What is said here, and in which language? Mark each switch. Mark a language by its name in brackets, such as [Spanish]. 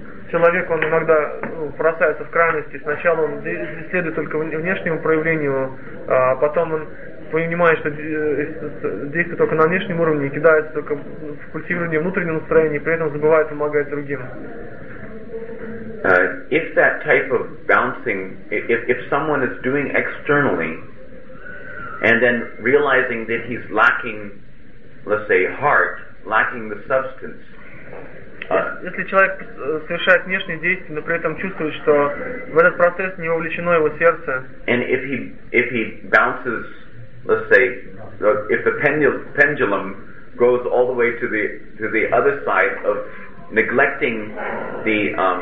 [Russian] Человек, он иногда бросается в крайности, сначала он следует только внешнему проявлению, а потом он понимает, что действует только на внешнем уровне и кидается только в культивирование внутреннего настроения, и при этом забывает помогать другим. [English] If that type of bouncing, if someone is doing externally and then realizing that he's lacking, let's say, heart, lacking the substance. [Russian] Если человек совершает внешние действия, но при этом чувствует, что в этот процесс не вовлечено его сердце. [English] And if he bounces, let's say, if the pendulum goes all the way to the other side of neglecting the